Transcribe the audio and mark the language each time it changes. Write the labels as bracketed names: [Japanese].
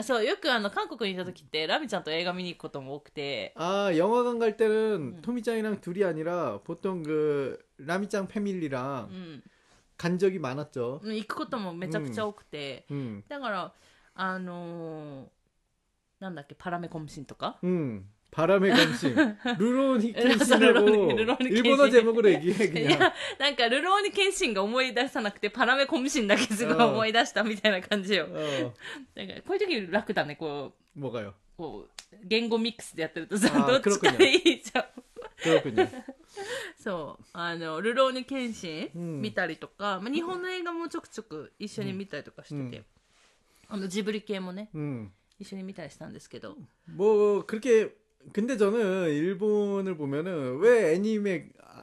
[Japanese] そうよく韓国に行った時って라미짱と映画見に行くことも多くて [Korean] 아영화관갈때는토미짱이랑둘이아니라보통그라미짱패밀리랑간적이많았죠 [Japanese] 行くこともめちゃくちゃ多くてだから何だっけパラメコムシンとか [Korean] 바람의검신 루로니켄신하고 일본어제목으로얘기해그냥 [Japanese] なんか루로니켄신が思い出さなくて바람의검신だけすごい思い出したみたいな感じよ。なんかこういう時楽だね。こう [Korean] 뭐가요？ [Japanese] こう言語ミックスでやってるとさ、どっちかでいいじゃん。 [Korean] 그렇군요。 [Japanese] そう、루로니켄신見たりとか、ま日本の映画もちょくちょく一緒に見たりとかしてて、ジブリ系もね、一緒に見たりしたんですけど。